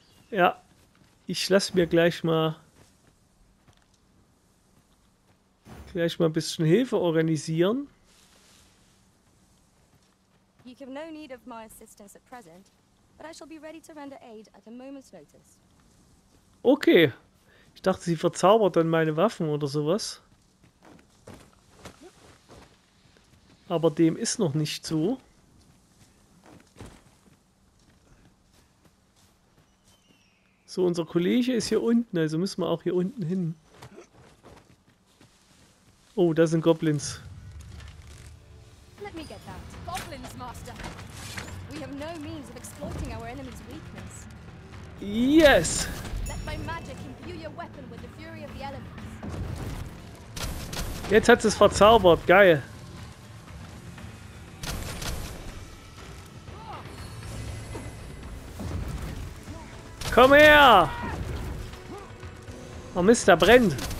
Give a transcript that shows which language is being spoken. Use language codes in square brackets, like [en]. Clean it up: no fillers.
[de] Ja, ich lasse mir gleich mal ein bisschen Hilfe organisieren. [en] You have no need of my assistance at present, but I shall be ready to render aid at a moment's notice. [de] Okay, ich dachte, sie verzaubert dann meine Waffen oder sowas. Aber dem ist noch nicht so. So, unser Kollege ist hier unten, also müssen wir auch hier unten hin. Oh, da sind Goblins. [en] Let me get that. Goblins, Master. We have no means of exploiting our enemy's weakness. Yes! Let my magic imbue your weapon with the fury of the elements. [de] Jetzt hat es verzaubert, geil. Komm her! Oh Mist, der brennt!